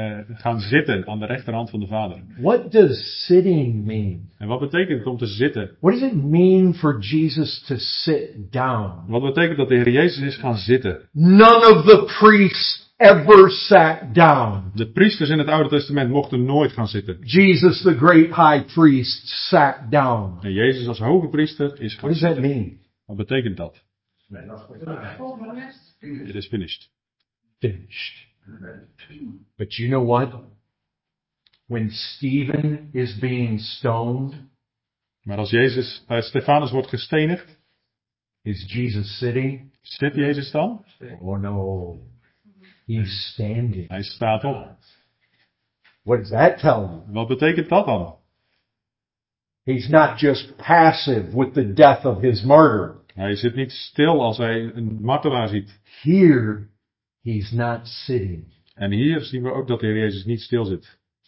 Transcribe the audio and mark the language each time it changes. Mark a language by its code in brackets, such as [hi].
[nl] gaan zitten aan de rechterhand van de Vader. [en] What does sitting mean? [nl] En wat betekent het om te zitten? [en] What does it mean for Jesus to sit down? [nl] Wat betekent dat de Heer Jezus is gaan zitten? [en] None of the priests ever sat down. [nl] De priesters in het Oude Testament mochten nooit gaan zitten. [en] Jesus the great high priest sat down. [nl] En Jezus als hoge priester is gaan zitten. [en] What does that mean? [nl] Wat betekent dat? [en] It is finished. Finished. But you know what? When Stephen is being stoned, [nl] maar als Jezus, Stefanus wordt gestenigd, [en] is Jesus sitting? [nl] Zit Jezus dan? [en] Oh no, he's standing. [nl] Hij staat op. [en] What does that tell you? [nl] Wat betekent dat dan? [en] He's not just passive with the death of his martyr. [nl] Hij zit niet stil als hij een martelaar ziet. [en] Here. He's not sitting. [nl] En hier zien we ook dat de Heer Jezus niet stil zit.